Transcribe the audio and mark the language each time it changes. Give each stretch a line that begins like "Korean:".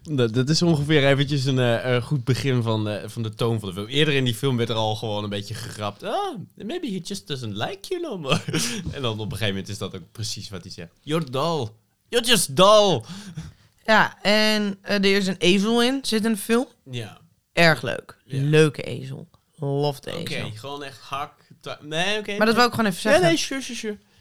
Dutch: Dat is ongeveer eventjes een goed begin van de toon van de film. Eerder in die film werd er al gewoon een beetje gegrapt.
English: Oh, maybe he just doesn't like you no more.
Dutch: En dan op een gegeven moment is dat ook precies wat hij zegt.
English: You're dull. You're just dull.
Dutch: Ja, en er is een ezel in, zit in de film. Ja. Erg leuk. Ja. Leuke ezel.
English: Love the ezel.
Dutch: Oké, gewoon echt hak. Nee, oké. Maar dat wil ik gewoon even zeggen. Nee, sure.